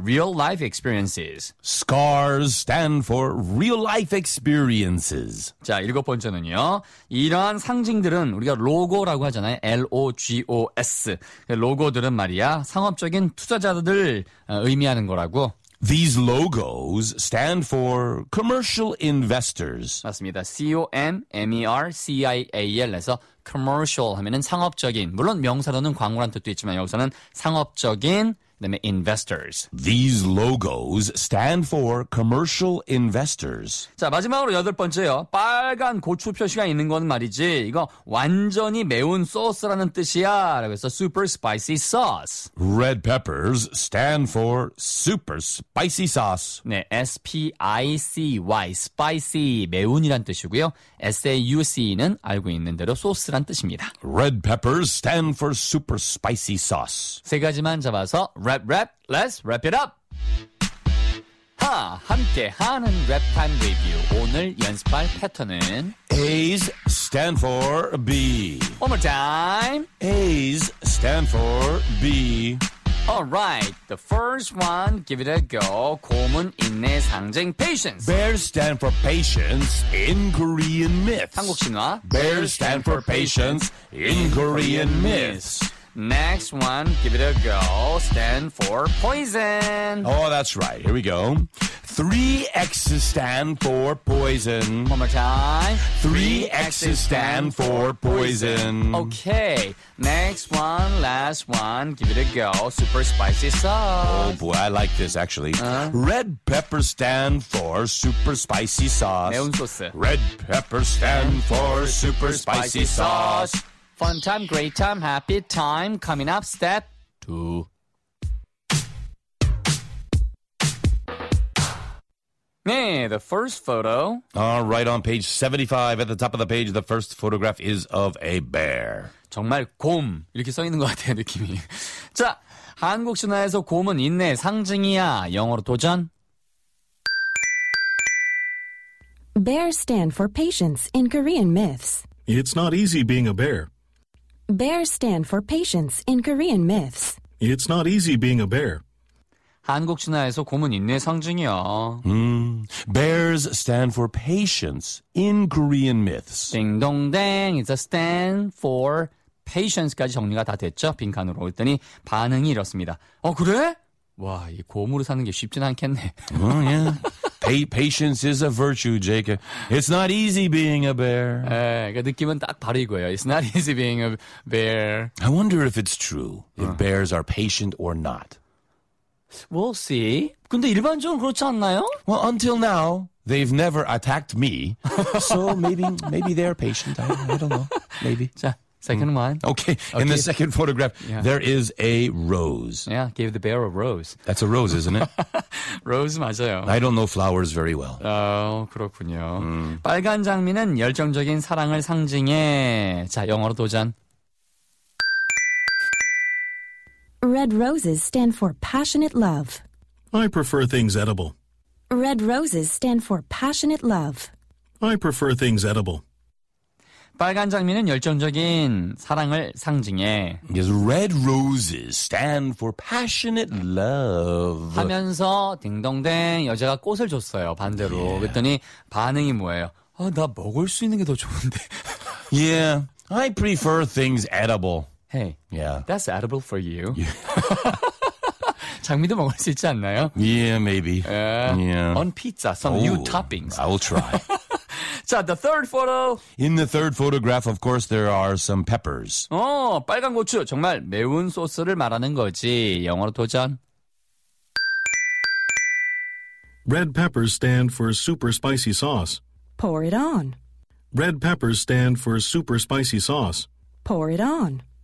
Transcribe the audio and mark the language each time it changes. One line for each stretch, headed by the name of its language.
English: Real life experiences. Scars stand for real life experiences.
Korean: 자, 일곱 번째는요. 이러한 상징들은 우리가 로고라고 하잖아요. L-O-G-O-S. 로고들은 말이야. 상업적인 투자자들 의미하는 거라고.
English: These logos stand for commercial investors.
Korean: 맞습니다. C-O-M-M-E-R-C-I-A-L에서 commercial 하면은 상업적인. 물론 명사로는 광고란 뜻도 있지만 여기서는 상업적인, 그다음에 investors.
English: These logos stand for commercial investors.
Korean: 자, 마지막으로 여덟 번째요. 빨간 고추 표시가 있는 건 말이지. 이거 완전히 매운 소스라는 뜻이야. 그래서
English: super spicy sauce. Red peppers stand for super spicy sauce.
Korean: 네, S-P-I-C-Y, spicy, 매운이란 뜻이고요. S-A-U-C는 알고 있는 대로 소스란 뜻입니다.
English: Red peppers stand for super spicy sauce.
Korean: 세 가지만 잡아서 랩, 랩,
English: let's wrap it up!
Korean: 하, 함께 하는 랩타임 리뷰. 오늘 연습할 패턴은
English: A's stand for B. One more time. A's stand for B. Alright, the first one, give it a go.
Korean: 곰은 인내의 상징, patience.
English: Bears stand for patience in Korean myths.
Korean: 한국 신화.
English: Bears stand for patience in Korean myths. Next one, give it a go, stand for poison. Oh, that's right. Here we go. Three X's stand for poison. One more time. Three X's stand for poison. Okay. Next one, last one, give it a go, super spicy sauce. Oh, boy, I like this, actually. Red peppers stand for super spicy sauce.
Korean: 매운 소스.
English: Red peppers stand for super spicy sauce. Fun time, great time, happy time. Coming up, step 2.
Korean: 네,
English: the first photo. Right on page 75, at the top of the page, the first photograph is of a bear.
Korean: 정말 곰, 이렇게 써 있는 것 같아요, 느낌이. 자, 한국 신화에서 곰은 인내의 상징이야. 영어로 도전.
English: Bears stand for patience in Korean myths. It's not easy being a bear. Bears stand for patience in Korean myths. It's not easy being a bear.
Korean: 한국 신화에서 곰은 인내 상징이야.
English: Bears stand for patience in Korean myths.
Korean: 딩동댕,
English: it's a stand for patience까지
Korean: 정리가 다 됐죠. 빈칸으로 했더니 반응이 이렇습니다. 어, 그래? 와, 이 곰으로 사는 게 쉽진 않겠네.
English: Oh, yeah. Patience is a virtue, Jacob. It's not easy being a bear.
Korean: 에, 그 느낌은 딱 바로 이거예요.
English: It's not easy being a bear. I wonder if it's true, if bears are patient or not. We'll see.
Korean: 근데 일반적으로 그렇지 않나요?
English: Well, until now, they've never attacked me. So maybe they're patient. I don't know. Maybe.
Korean: 자.
English: Second one. Okay. In the second photograph, there is a rose. Yeah, gave the bear a rose. That's a rose, isn't it?
Korean: Rose 맞아요.
English: I don't know flowers very well.
Korean: 그렇군요. 빨간 장미는 열정적인 사랑을 상징해. 자, 영어로 도전.
English: Red roses stand for passionate love. I prefer things edible. Red roses stand for passionate love. I prefer things edible.
Korean: 빨간 장미는 열정적인 사랑을 상징해.
English: Yes, red roses stand for passionate love.
Korean: 하면서 딩동댕 여자가 꽃을 줬어요. 반대로.
English: Yeah.
Korean: 그랬더니 반응이 뭐예요? 아, 나 먹을 수 있는 게 더 좋은데.
English: Yeah, I prefer things edible. Hey, yeah. That's edible for you. Yeah.
Korean: 장미도 먹을 수 있지 않나요?
English: Yeah, maybe. Yeah. On pizza, some new toppings. I will try. So the third photo. In the third photograph, of course, there are some peppers.
Korean: 어, 빨간 고추 정말 매운 소스를 말하는 거지. 영어로 도전.
English: Red peppers stand for super spicy sauce. Pour it on. Red peppers stand for super spicy sauce. Pour it on.